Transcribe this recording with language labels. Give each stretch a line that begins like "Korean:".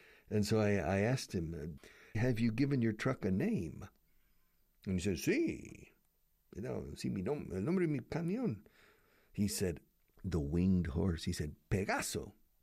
English: And so I asked him, have you given your truck a name? And he said, sí.
Spanish: No, sí, mi nombre, el nombre de mi camión.
English: He said, the winged horse. He said, Pegaso.